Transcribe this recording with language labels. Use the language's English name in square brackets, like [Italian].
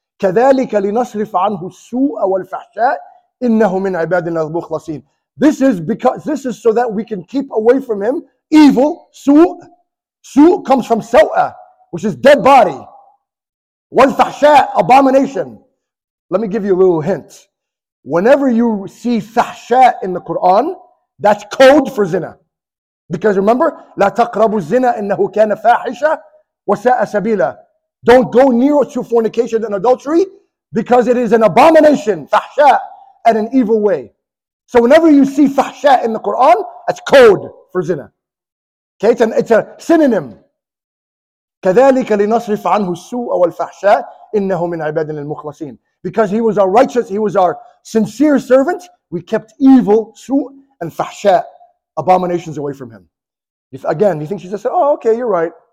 [Arabic] كَذَلِكَ لِنَصْرِفَ عَنْهُ السُّوءَ وَالْفَحْشَاءِ إِنَّهُ مِنْ عِبَادِنَا الْمُخْلَصِينَ [English] This is because this is so that we can keep away from him evil, su'. Su comes from sawa, which is dead body. Wal fahsha, abomination. Let me give you a little hint. Whenever you see fahsha in the Quran, that's code for zina. Because remember, [Arabic] لا تقربوا الزنا إنه كان فاحشة وساء سبيلا. [English] Don't go near to fornication and adultery, because it is an abomination, fahsha, and an evil way. So whenever you see fahsha in the Quran, that's code for zina. Okay, it's a synonym. [Arabic] كذلك لنصرف عنه السوء والفحشاء إنه من عبادنا المخلصين. [English] Because he was our righteous, he was our sincere servant, we kept evil, سوء, and فحشاء, abominations away from him. If again, you think she just said, oh, okay, you're right.